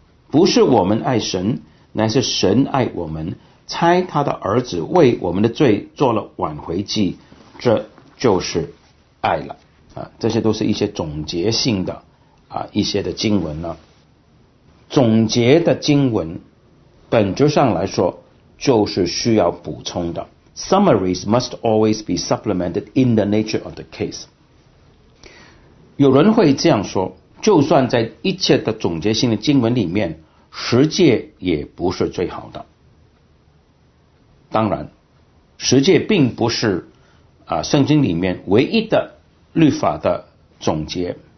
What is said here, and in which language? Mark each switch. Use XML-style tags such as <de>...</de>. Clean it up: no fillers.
<zh>不是我们爱神，乃是神爱我们，差他的儿子为我们的罪做了挽回祭，这就是爱了。这些都是一些总结性的一些的经文呢。总结的经文本质上来说就是需要补充的。</zh> <en>Summaries must always be supplemented in the nature of the case.</en> <zh>有人会这样说，就算在一切的总结性的经文里面，十诫也不是最好的。当然，十诫并不是圣经里面唯一的律法的总结。</zh>